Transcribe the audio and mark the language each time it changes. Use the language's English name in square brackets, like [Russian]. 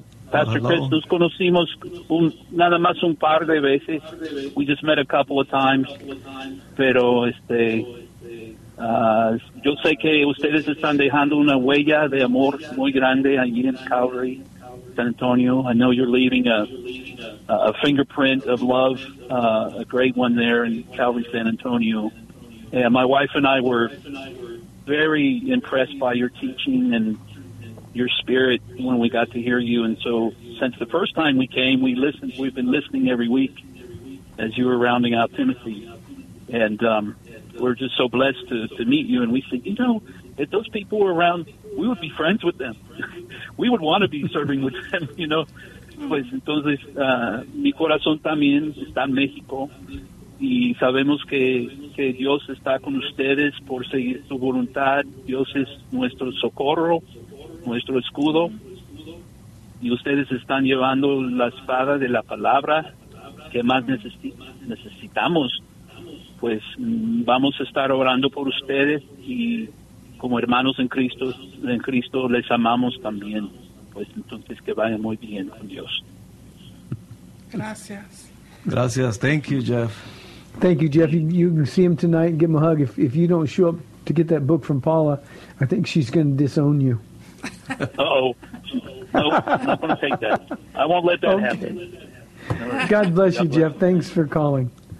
[Spanish] Pastor Chris, nos conocimos nada más un par de veces. [English] We just met a couple of times. [Spanish] Pero yo sé que ustedes están dejando una huella de amor muy grande allí en Calvary, San Antonio. [English] I know you're leaving a fingerprint of love, a great one there in Calvary, San Antonio. And my wife and I were very impressed by your teaching and your spirit when we got to hear you. And so since the first time we came, we listened. We've been listening every week as you were rounding out Timothy. And we're just so blessed to meet you. And we said, you know, if those people were around, we would be friends with them. We would want to be serving with them, you know. [Spanish] Pues entonces, mi corazón también está en México. Y sabemos que Dios está con ustedes por seguir su voluntad. Dios es nuestro socorro, nuestro escudo. Y ustedes están llevando la espada de la palabra que más necesitamos. Pues vamos a estar orando por ustedes y como hermanos en Cristo les amamos también. Pues entonces que vayan muy bien con Dios. Gracias. Gracias. [English] Thank you, Jeff. Thank you, Jeff. You can see him tonight and give him a hug. If you don't show up to get that book from Paula, I think she's going to disown you. Uh-oh. No, nope, I'm not going to take that. I won't let that okay. happen. God bless you, Jeff. Thanks for calling.